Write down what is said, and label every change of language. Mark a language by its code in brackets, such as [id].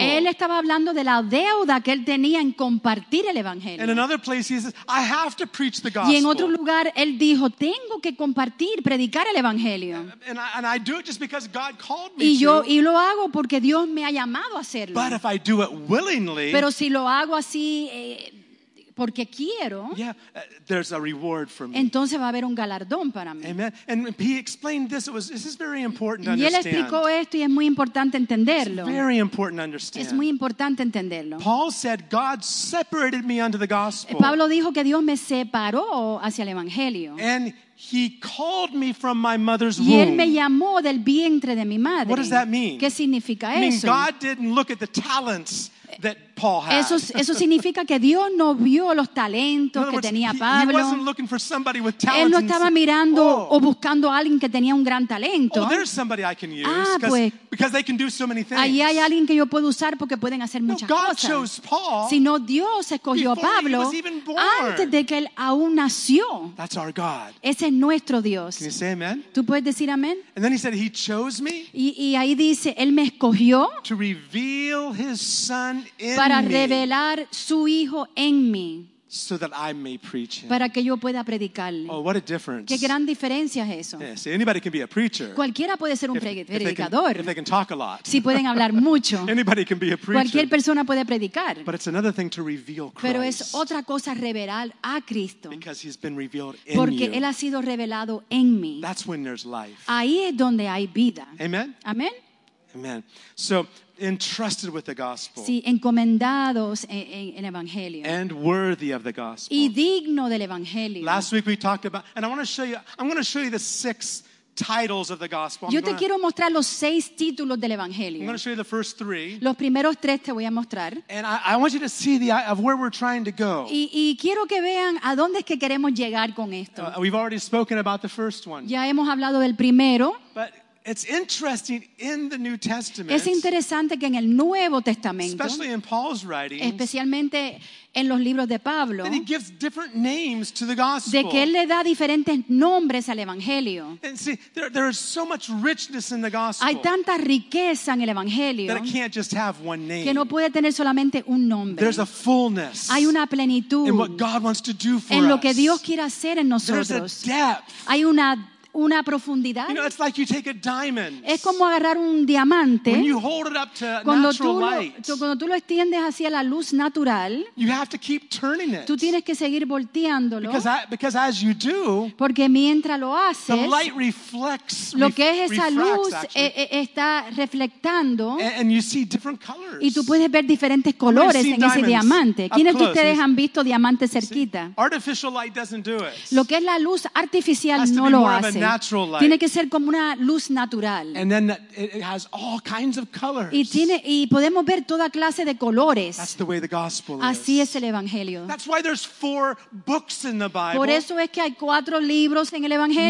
[es] Él estaba hablando de la deuda que él tenía en compartir el evangelio. [en] And another place he says, I have to preach the gospel. [es] Y en otro lugar él dijo, tengo que compartir, predicar el evangelio. [en] And I do it just because God called me [es] y yo, [en] to. [es] Y lo hago porque Dios me ha llamado a hacerlo. [en] But if I do it willingly, [es] pero si lo hago así porque quiero, [en] yeah, there's a reward for me. [es] Entonces va a haber un galardón para mí. [en] Amen. And he explained this. This is very important to [es] y él [en] understand. [es] Explicó esto y es muy importante entenderlo. [en] It's very important to understand. [es] Es muy importante entenderlo. [en] Paul said, God separated me unto the gospel. [es] Pablo dijo que Dios me separó hacia el evangelio. [en] And he called me from my mother's womb. [es] Y él me llamó del vientre de mi madre. [en] What does that mean? [es] ¿Qué significa eso? [en] I mean, God didn't look at the talents that Paul had. [es] Eso significa que Dios no vio los talentos que tenía Pablo. [en] He wasn't looking for somebody with talents. [es] Él no estaba mirando o buscando a alguien que tenía un gran talento. [en] Oh, there's somebody I can use because they can do so many things. [es] Ahí hay alguien que yo puedo usar porque pueden hacer muchas cosas. [en] No, God chose Paul. [es] Sino Dios escogió a Pablo antes de que él aún nació. [en] That's our God. [es] Ese es nuestro Dios. [en] Can you say amen? [es] ¿Tú puedes decir amén? [en] And then he said he chose me. [es] Y ahí dice él me escogió [en] to reveal his son [es] para revelar su hijo en mí. [en] So that I may preach him. [es] Para que yo pueda predicarle. [en] Oh, what a difference. [es] Qué gran diferencia es eso. [en] Yeah, see, anybody can be a preacher. [es] Cualquiera puede ser un predicador. [en] If they can talk a lot. [es] Si pueden hablar mucho. [en] Anybody can be a preacher. [es] Cualquier persona puede predicar. [en] But it's another thing to reveal Christ. [es] Pero es otra cosa revelar a Cristo. [en] Because he's been revealed in [es] porque [en] you. [es] Porque él ha sido revelado en mí. [en] That's when there's life. [es] Ahí es donde hay vida. [en] Amen. Amen. Amen. So entrusted with the gospel. [es] Sí, encomendados en el evangelio. [en] And worthy of the gospel. [es] Y digno del evangelio. [en] Last week we talked about, and I want to show you, I'm going to show you the six titles of the gospel. [es] Yo te quiero mostrar los seis títulos del evangelio. [en] I'm going to show you the first three. [es] Los primeros tres te voy a mostrar. [en] And I want you to see the of where we're trying to go. [es] Y quiero que vean a dónde es que queremos llegar con esto. [en] We've already spoken about the first one. [es] Ya hemos hablado del primero. [en] But it's interesting in the New Testament. [es] Es interesante que en el Nuevo Testamento, [en] especially in Paul's writings, [es] especialmente en los libros de Pablo, [en] that he gives different names to the gospel. [es] De que él le da diferentes nombres al evangelio. [en] And see, there is so much richness in the gospel. [es] Hay tanta riqueza en el evangelio [en] that it can't just have one name. [es] Que no puede tener solamente un nombre. [en] There's a fullness. [es] Hay una plenitud [en] in what God wants to do for us. [es] En lo que Dios quiere hacer en nosotros. [en] There's a depth. [es] Hay una profundidad. [en] You know, it's like you take a diamond. [es] Es como agarrar un diamante. [en] When you hold it up to natural light. [es] Cuando tú lo extiendes hacia la luz natural, [en] you have to keep turning it. [es] Tú tienes que seguir volteándolo. [en] Because as you do, [es] porque mientras lo haces, [en] the light reflects, [es] lo que es esa luz está reflectando. [en] And you see different colors. [es] Y tú puedes ver diferentes colores en ese diamante. ¿Quiénes de ustedes han visto diamantes cerquita? [en] Artificial light doesn't do it. [es] Lo que es la luz artificial no lo hace. [en] A natural light. [es] Tiene que ser como una luz natural. [en] And then it has all kinds of colors. [es] Y podemos ver toda clase de colores. [en] That's the way the gospel is. [es] Así es el evangelio. [en] That's why there's four books in the Bible. [es] Por eso es que hay cuatro libros en el evangelio.